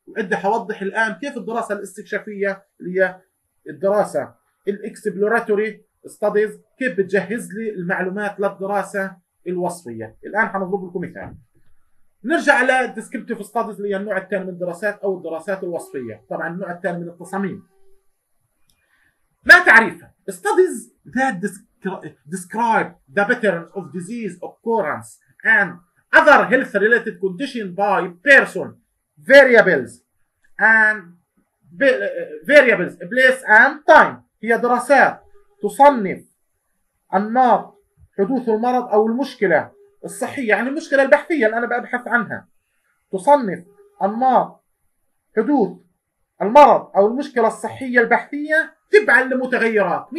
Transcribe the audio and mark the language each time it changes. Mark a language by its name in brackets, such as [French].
[Arabic] بدي اوضح الان كيف الدراسه الاستكشافيه اللي هي الدراسه الاكسبلوراتوري ستاديز كيف بتجهز لي المعلومات للدراسه الوصفيه. الان حنضرب لكم مثال. نرجع للديسكريبتيف ستاديز اللي هي النوع الثاني من الدراسات او الدراسات الوصفيه، طبعا النوع الثاني من التصاميم. ما تعريفها؟ [English] Studies that describe the pattern of disease occurrence and other health related condition by person variables and variables place and time. [Arabic] هي دراسات تصنف انماط حدوث المرض او المشكله الصحيه، يعني المشكله البحثيه اللي انا ببحث عنها، تصنف انماط حدوث المرض او المشكله الصحيه البحثيه تبعا لمتغيرات.